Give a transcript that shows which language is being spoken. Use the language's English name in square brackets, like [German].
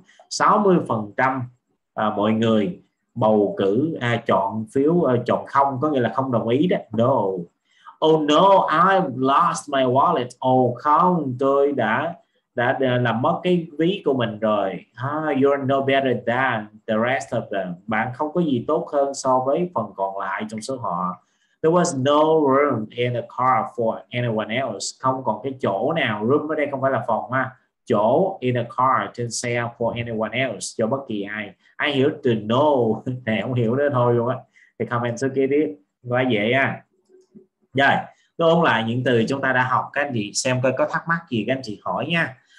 [Vietnamese] 60% mọi người bầu cử, chọn phiếu, chọn không. Có nghĩa là không đồng ý đó. No. [English] Oh no, I've lost my wallet. [Vietnamese] Oh không, tôi đã làm mất cái ví của mình rồi. [English] You're no better than the rest of them. [Vietnamese] Bạn không có gì tốt hơn so với phần còn lại trong số họ. [English] There was no room in the car for anyone else. [Vietnamese] Không còn cái chỗ nào. Room ở đây không phải là phòng ha. Chỗ [English] in the car, [Vietnamese] trên xe [English] for anyone else, [Vietnamese] cho bất kỳ ai. [English] I hear to know. [Vietnamese] Này không hiểu nữa thôi luôn á. Thì comment số kia đi. Quá dễ á. Rồi, tôi ôn lại những từ chúng ta đã học, các anh chị xem coi có thắc mắc gì các anh chị hỏi nha.